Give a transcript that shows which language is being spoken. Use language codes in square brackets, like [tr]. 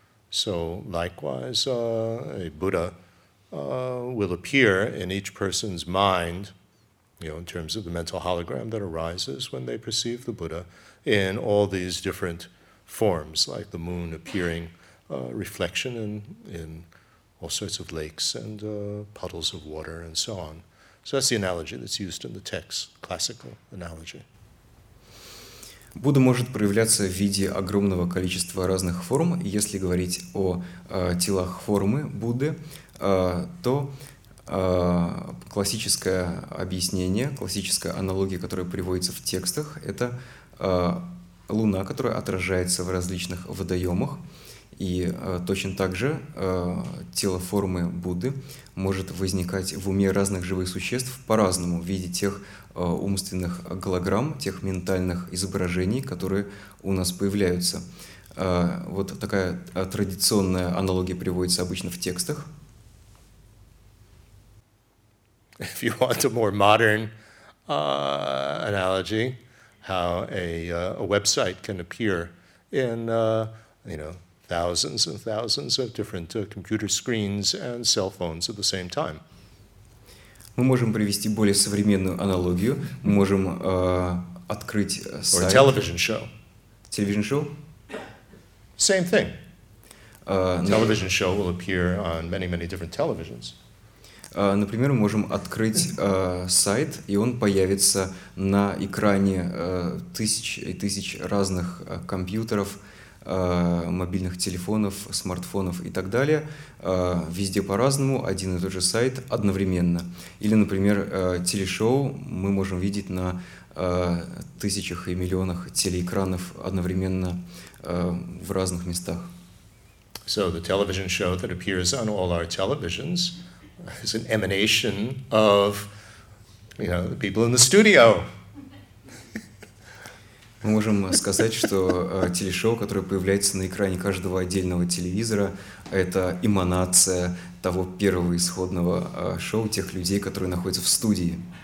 [en] So likewise, a Buddha will appear in each person's mind, you know, in terms of the mental hologram that arises when they perceive the Buddha, in all these different forms, like the moon appearing reflection in all sorts of lakes and puddles of water and so on. So that's the analogy that's used in the text, classical analogy. [ru] Будда может проявляться в виде огромного количества разных форм. Если говорить о телах формы Будды, то классическое объяснение, классическая аналогия, которая приводится в текстах, это луна, которая отражается в различных водоемах. И точно так же тело формы Будды может возникать в уме разных живых существ по-разному в виде тех умственных голограмм, тех ментальных изображений, которые у нас появляются. Вот такая традиционная аналогия приводится обычно в текстах. [en] If you want a more modern analogy, how a website can appear in you know, thousands and thousands of different computer screens and cell phones at the same time. [ru] Мы можем привести более современную аналогию. Мы можем открыть сайт. [en] Or a television show. Television show. Same thing. Television show will appear on many, many different televisions. [ru] Например, мы можем открыть сайт, и он появится на экране тысяч и тысяч разных компьютеров, мобильных телефонов, смартфонов и так далее. Везде по-разному, один и тот же сайт одновременно. Или, например, телешоу мы можем видеть на тысячах и миллионах телеэкранов одновременно в разных местах. [en] So the television show that appears on all our televisions is an emanation of, you know, the people in the studio. [ru] Мы можем сказать, что телешоу, которое появляется на экране каждого отдельного телевизора, это эманация того первого исходного шоу, тех людей, которые находятся в студии.